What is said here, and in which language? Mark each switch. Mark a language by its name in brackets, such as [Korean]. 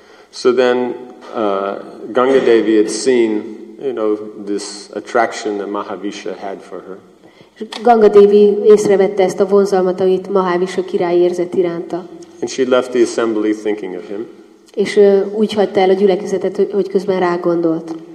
[English] So then Ganga Devi had seen, you know, this attraction that Mahavishu had for her. [Hungarian] És Ganga Devi észrevette ezt a vonzalmat, amit Mahavishu király érzett iránta. [English] And she left the assembly thinking of him. [Hungarian] És úgy hagyta el a gyülekezetet, hogy közben rá gondolt.